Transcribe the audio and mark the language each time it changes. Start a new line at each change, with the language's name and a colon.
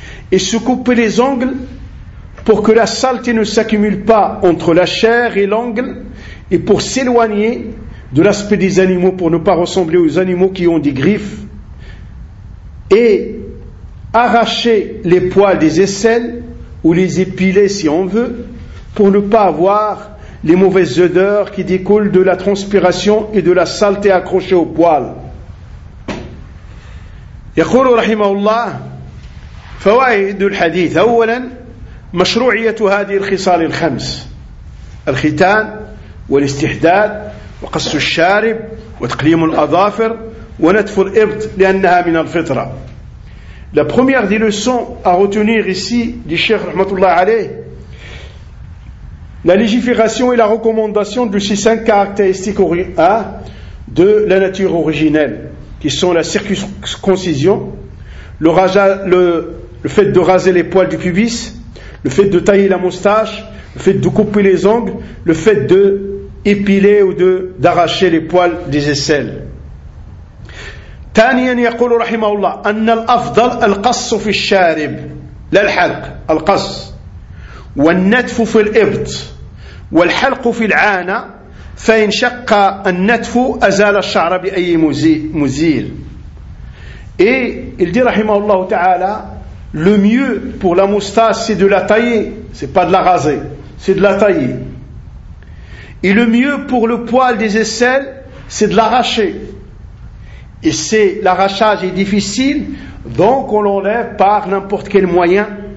French: Et se couper les ongles pour que la saleté ne s'accumule pas entre la chair et l'ongle, et pour s'éloigner de l'aspect des animaux, pour ne pas ressembler aux animaux qui ont des griffes. Et arracher les poils des aisselles ou les épiler si on veut, pour ne pas avoir les mauvaises odeurs qui découlent de la transpiration et de la saleté accrochée aux poils.
Arabic: يقول رحمه الله فوائد الحديث أولا مشروعية هذه الخصال الخمس الختان والاستحداد وقص الشارب وتقليم الأظافر ونتف الإبط لأنها من الفطرة.
French: La première des leçons à retenir ici du Cheikh
Arabic: rahmatullah alayh,
French: la légification et la recommandation de ces 5 caractéristiques de la nature originelle, qui sont la circoncision, le fait de raser les poils du pubis, le fait de tailler la moustache, le fait de couper les ongles, le fait de épiler ou d'arracher les poils des aisselles.
Arabic: ثانيا يقول رحمه الله ان الافضل القص في الشارب لا الحلق القص والنتف في الابط والحلق في العانة فإن شق النتف أزال الشعر بأي مزيل.
French: Et il dit
Arabic: rahimahullah ta'ala,
French: le mieux pour la moustache c'est de la tailler, c'est pas de la raser, c'est de la tailler. Et le mieux pour le poil des aisselles c'est de l'arracher. Et c'est l'arrachage est difficile, donc on l'enlève par n'importe quel moyen.